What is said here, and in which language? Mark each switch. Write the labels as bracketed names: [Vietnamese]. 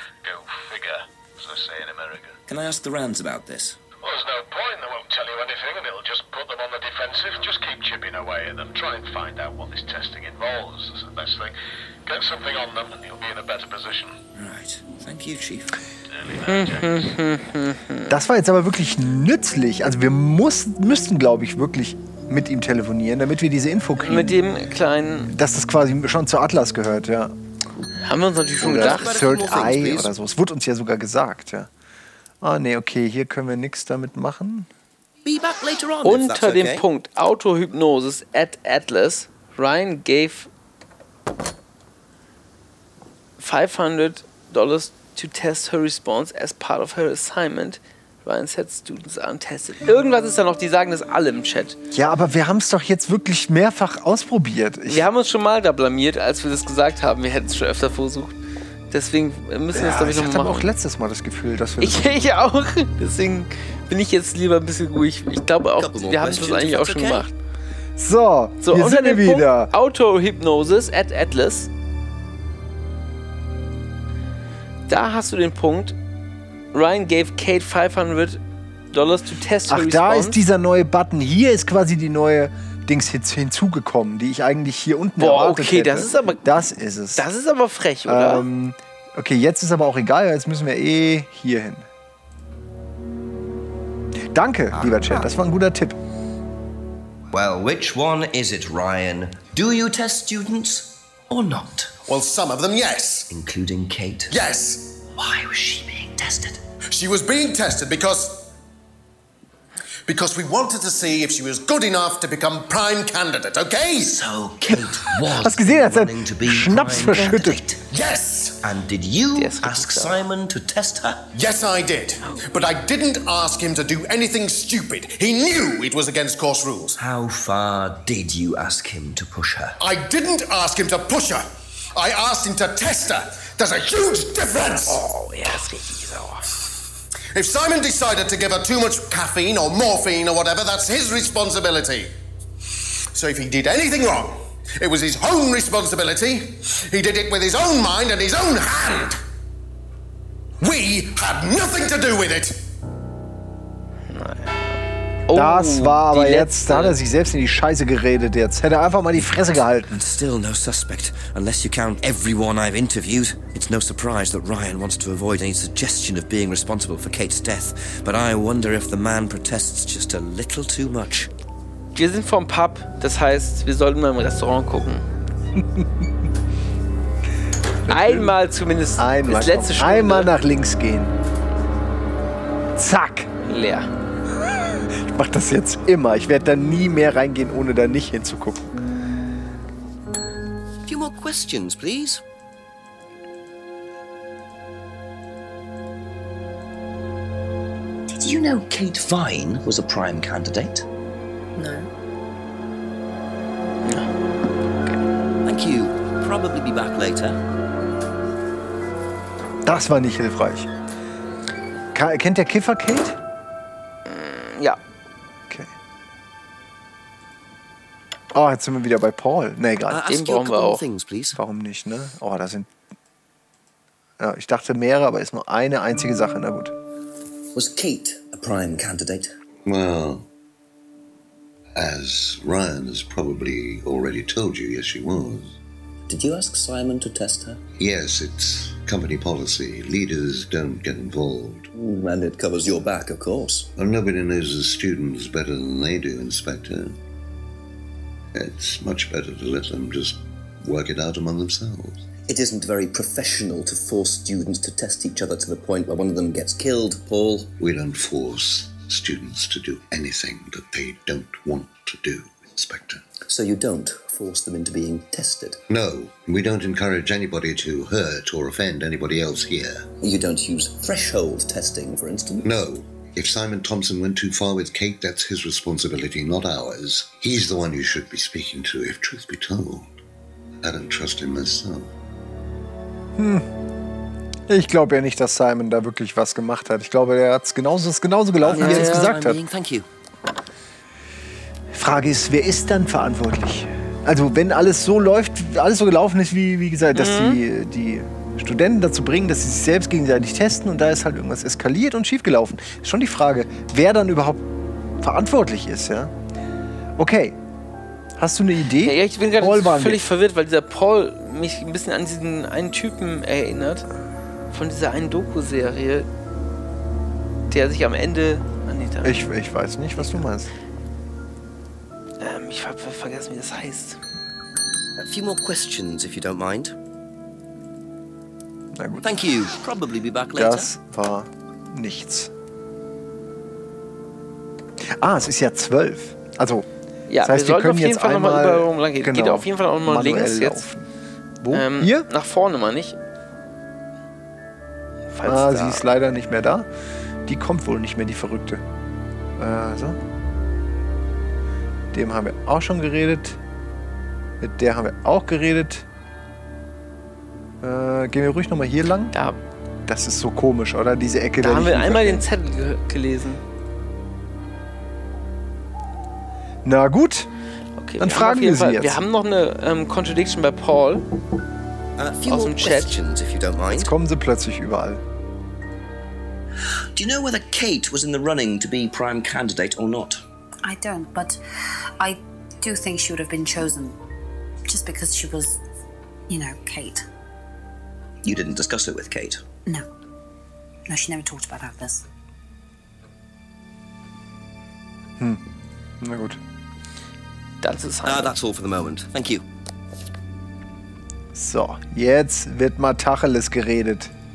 [English] Go figure, as they say in America. Can I ask the Rands about this? Well, there's no point. They won't tell you anything, and it'll just put them on the defensive. Just keep chipping away at them. Try and find out what this testing involves. That's the best thing. Get something on them, and you'll be in a better position. Right. Thank you, Chief. [German] Das war jetzt aber wirklich nützlich. Also wir müssten, glaube ich, wirklich mit ihm telefonieren, damit wir diese Info kriegen. Mit dem kleinen... Dass das quasi schon zu Atlas gehört, ja. Haben wir uns natürlich schon gedacht. Third Eye oder so. Es wurde uns ja sogar gesagt, ja. Ah, nee, okay, hier können wir nichts damit machen. [English] Be back later on, [German] unter okay. dem Punkt [English] Autohypnosis at Atlas, Ryan gave $500 to test her response as part of her assignment. Ryan said students are untested. [German] Irgendwas ist da noch, die sagen das alle im Chat. Ja, aber wir haben es doch jetzt wirklich mehrfach ausprobiert. Wir haben uns schon mal da blamiert, als wir das gesagt haben. Wir hätten es schon öfter versucht. Deswegen müssen wir es, glaube ich, noch machen. Ich hatte auch letztes Mal das Gefühl, dass wir Ich auch. Deswegen bin ich jetzt lieber ein bisschen ruhig. Ich glaube auch, wir haben das eigentlich auch schon gemacht. So, wir sind wieder. [English] Autohypnosis at Atlas. [German] Da hast du den Punkt. [English] Ryan gave Kate $500 to test her response. [German] Ach, da ist dieser neue Button. Hier ist quasi die neue Dings hinzugekommen, die ich eigentlich hier unten erwartet hätte. Boah, okay, das ist aber... Das ist es. Das ist aber frech, oder? Okay, jetzt ist aber auch egal. Jetzt müssen wir eh hier hin. Danke, lieber Chat. Das war ein guter Tipp. [English] Well, which one is it, Ryan? Do you test students or not? Well, some of them, yes. Including Kate? Yes. Why was she being tested? She was being tested because we wanted to see if she was good enough to become prime candidate, okay? So Kate was willing to be [German] Schnaps [English] prime candidate. Yes! And did you ask Simon to test her? Yes, I did. But I didn't ask him to do anything stupid. He knew it was against course rules. How far did you ask him to push her? I didn't ask him to push her. I asked him to test her. There's a huge difference! Oh, yes, he's off. If Simon decided to give her too much caffeine or morphine or whatever, that's his responsibility. So if he did anything wrong, it was his own responsibility. He did it with his own mind and his own hand. We had nothing to do with it. [German] Oh, das war aber jetzt, da hat er sich selbst in die Scheiße geredet jetzt. Hätte er einfach mal die Fresse gehalten. [English] And still no suspect, unless you count everyone I've interviewed. It's no surprise that Ryan wants to avoid any suggestion of being responsible for Kate's death. But I wonder if the man protests just a little too much. [German] Wir sind vom Pub, das heißt, wir sollten mal im Restaurant gucken. Einmal zumindest einmal, bis letzte Stunde. Einmal nach links gehen. Zack. Leer. Ich mach das jetzt immer. Ich werde da nie mehr reingehen, ohne da nicht hinzugucken. [English] A few more questions, please. Did you know Kate Vine was a prime candidate? No. No. Thank you. Probably be back later. [German] Das war nicht hilfreich. Kennt der Kiffer Kate? Ja. Okay. Oh, jetzt sind wir wieder bei Paul. Nee, egal. Den brauchen wir auch. Things, warum nicht, ne? Oh, da sind... Ja, ich dachte mehrere, aber ist nur eine einzige Sache. Na gut. [English] Was Kate a prime candidate? Well, as Ryan has probably already told you, yes, she was. Did you ask Simon to test her? Yes, it's company policy. Leaders don't get involved. And it covers your back, of course. Well, nobody knows the students better than they do, Inspector. It's much better to let them just work it out among themselves. It isn't very professional to force students to test each other to the point where one of them gets killed, Paul. We don't force students to do anything that they don't want to do, Inspector. So you don't force them into being tested? No, we don't encourage anybody to hurt or offend anybody else here. You don't use threshold testing, for instance? No. If Simon Thompson went too far with Kate, that's his responsibility, not ours. He's the one you should be speaking to, if truth be told. I don't trust him myself. [German] Ich glaube ja nicht, dass Simon da wirklich was gemacht hat. Ich glaube, er hat es genauso gelaufen, wie er es gesagt hat. [English] Thank you. [German] Frage ist, wer ist dann verantwortlich? Also wenn alles so läuft, alles so gelaufen ist, wie gesagt, dass die Studenten dazu bringen, dass sie sich selbst gegenseitig testen und da ist halt irgendwas eskaliert und schiefgelaufen. Ist schon die Frage, wer dann überhaupt verantwortlich ist, ja? Okay, hast du eine Idee? Ja, ich bin gerade völlig verwirrt, weil dieser Paul mich ein bisschen an diesen einen Typen erinnert, von dieser einen Doku-Serie, der sich am Ende... Ich weiß nicht, was du meinst. Ich habe vergessen, wie das heißt. [English] A few more questions, if you don't mind. [German] Na gut. [English] Thank you. Probably be back later. [German] Das war nichts. Ah, es ist ja 12. Also, ja, das heißt, wir sollten auf jeden Fall nochmal über lang gehen. Genau, geht auf jeden Fall auch nochmal links laufen. Jetzt. Wo? Hier? Nach vorne mal nicht. Falls ah, sie ist leider nicht mehr da. Die kommt wohl nicht mehr, die Verrückte. So. Dem haben wir auch schon geredet. Mit der haben wir auch geredet. Gehen wir ruhig nochmal hier lang. Da. Das ist so komisch, oder? Diese Ecke. Da haben wir einmal den Zettel gelesen. Na gut. Okay, dann fragen wir sie jetzt. Wir haben noch eine Contradiction bei Paul. Aus dem Chat. Jetzt kommen sie plötzlich überall. [English] Do you know whether Kate was in the running to be prime candidate or not? I don't, but I do think she would have been chosen. Just because she was, you know, Kate. You didn't discuss it with Kate? No. No, she never talked about Atlas. [German] Na gut. Das ist halt. [English] That's all for the moment. Thank you. [German] So, jetzt wird mal Tacheles geredet.